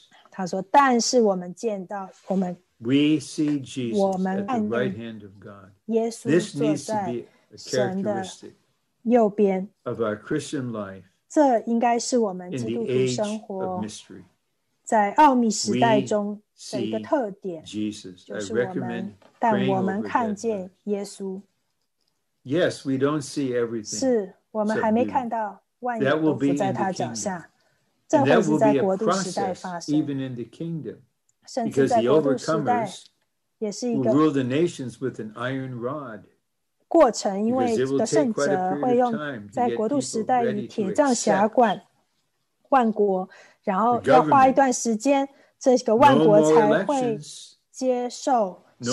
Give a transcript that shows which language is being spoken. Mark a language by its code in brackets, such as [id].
[zh] 他说，但是我们见到我们。 [en] We see Jesus at the right hand of God. This needs to be a characteristic of our Christian life. [zh] 这应该是我们基督徒生活。 [en] In the age of mystery, [zh] 在奥秘时代中的一个特点， [en] Jesus, [zh] 就是我们。但我们看见耶稣。 [en] Yes, we don't see everything. [zh] 是我们还没看到万有都伏在他脚下。这会是在国度时代发生。 [en] Even in the kingdom. Because the overcomers will rule the nations with an iron rod. [zh] 过程，因为得胜者会用在国度时代以铁杖辖管万国，然后要花一段时间，这个万国才会接受